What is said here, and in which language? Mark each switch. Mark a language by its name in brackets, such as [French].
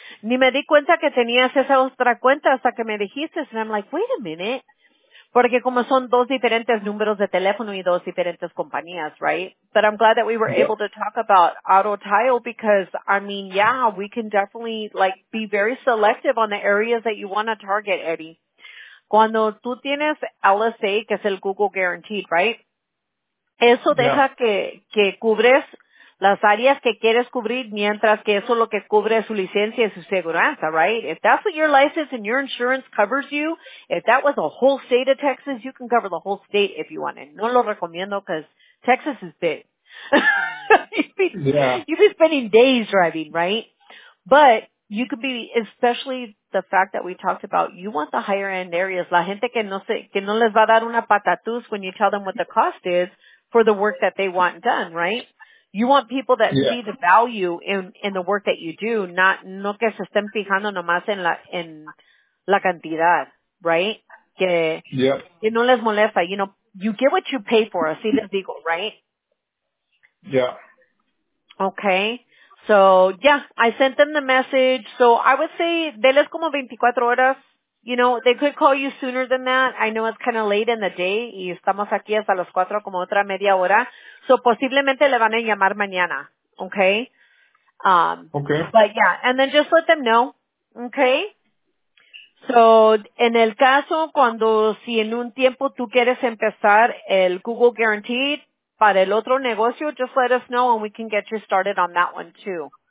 [Spanish] Ni me di cuenta que tenías esa otra cuenta hasta que me dijiste. [English] And I'm like, wait a minute. [Spanish] Porque como son dos diferentes números de teléfono y dos diferentes compañías, right? [English] But I'm glad that we were able to talk about Auto Tile because, I mean, yeah, we can definitely, like, be very selective on the areas that you want to target, Eddie. [Spanish] Cuando tú tienes LSA, que es el Google Guaranteed, right? Eso deja que cubres las áreas que quieres cubrir mientras que eso lo que cubre su licencia y su seguridad, right? [English] If that's what your license and your insurance covers you, if that was a whole state of Texas, you can cover the whole state if you want it. [Spanish] No lo recomiendo [English] because Texas is big. You'd be spending days driving, right? But you could be, especially the fact that we talked about, you want the higher end areas. [Spanish] La gente que no les va a dar una patatús [English] when you tell them what the cost is for the work that they want done, right? You want people that see the value in the work that you do, not [Spanish] no que se estén fijando nomás en la cantidad, [English] right? [Spanish] Que no les molesta. [English] You know, you get what you pay for, [Spanish] así les digo, [English] right? Yeah. Okay. So, yeah, I sent them the message. So I would say, [Spanish] deles como 24 horas. [English] You know, they could call you sooner than that. I know it's kind of late in the day [Spanish] y estamos aquí hasta las 4 como otra media hora. So posiblemente le van a llamar mañana, okay? [English] Okay. But yeah, and then just let them know, okay? [Spanish] So en el caso cuando si en un tiempo tú quieres empezar el Google Guaranteed para el otro negocio, [English] just let us know and we can get you started on that one too.